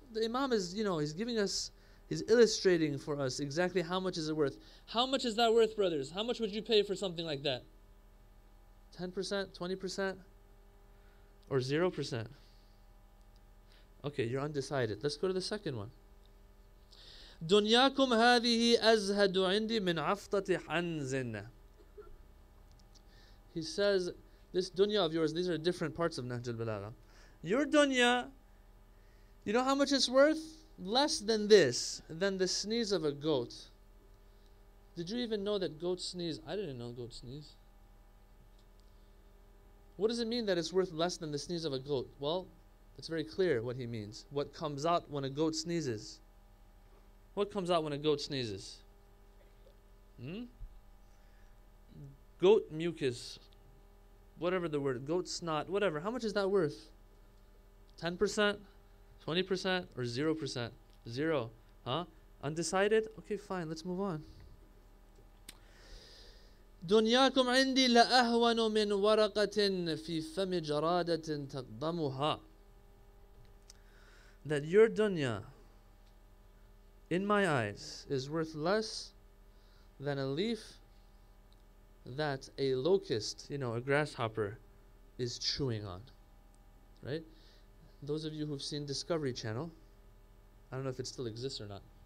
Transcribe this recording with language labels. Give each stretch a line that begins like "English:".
English: The Imam is, you know, he's giving us, he's illustrating for us exactly how much is it worth. How much is that worth, brothers? How much would you pay for something like that? 10%, 20%, or 0%? Okay, you're undecided. Let's go to the second one.
Arabic: دنياكم هذه أزهد عندي من عفطة حنزنا.
English: He says, this dunya of yours, these are different parts of Nahj al-Balagha. Your dunya, you know how much it's worth? Less than this, than the sneeze of a goat. Did you even know that goats sneeze? I didn't know goats sneeze. What does it mean that it's worth less than the sneeze of a goat? Well, it's very clear what he means. What comes out when a goat sneezes? What comes out when a goat sneezes? Goat mucus. Whatever the word, goat snot, whatever. How much is that worth? 10%, 20%, or 0%? Zero. Huh? Undecided? Okay, fine, let's move on.
Arabic: دنياكم عندي لأهون من ورقة في فم جرادة تقضمها.
English: That your dunya, in my eyes, is worth less than a leaf that a locust, you know, a grasshopper, is chewing on. Right? Those of you who've seen Discovery Channel, I don't know if it still exists or not.